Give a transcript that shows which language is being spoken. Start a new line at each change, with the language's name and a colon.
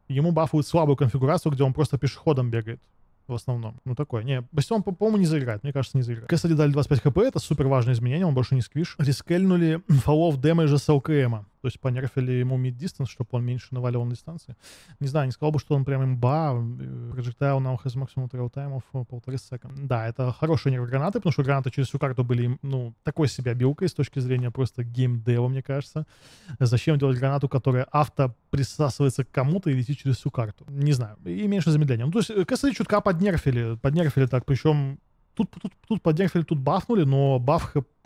Russian: Ему бафуют слабую конфигурацию, где он просто пешеходом бегает. В основном. Ну, такое. Не, бастион, по-моему, не заиграет. Мне кажется, не заиграет. Кэссиди дали 25 хп, это супер важное изменение, он больше не сквиш. Рискельнули фолов дэмэджа с ЛКМа. То есть понерфили ему мид-дистанс, чтобы он меньше навалил на дистанции. Не знаю, не сказал бы, что он прям имба.
English: Projectile now has maximum trail time of 1.5
Russian: секунды. Да, это хорошие нерв-гранаты, потому что гранаты через всю карту были, ну, такой себе билкой с точки зрения просто геймдева, мне кажется. Зачем делать гранату, которая авто присасывается к кому-то и летит через всю карту? Не знаю. И меньше замедления. Ну, то есть Кэссиди чутка поднерфили. Поднерфили так, причем... Тут поднерфили, тут бафнули, но баф хп...